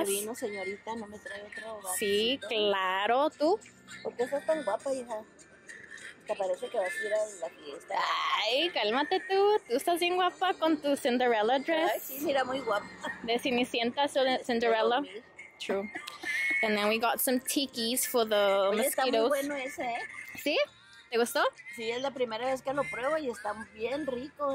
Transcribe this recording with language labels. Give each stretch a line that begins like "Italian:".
Spanish: Ya que vino, señorita, no me trae otro vaso. Sí, claro. ¿Tú? ¿Por qué estás tan guapa, hija? Parece que vas a ir a la fiesta. Ay, cálmate tú. Tú estás bien guapa con tu
English: Cinderella dress.
Spanish: Ay, sí, mira, muy guapa. De Cenicienta, Cinderella.
English: True. And then we got some tikis for the
Spanish: Oye,
English: mosquitoes.
Spanish: Está muy bueno ese, ¿eh? ¿Sí? ¿Te gustó? Sí, es la primera vez que lo pruebo y está bien rico.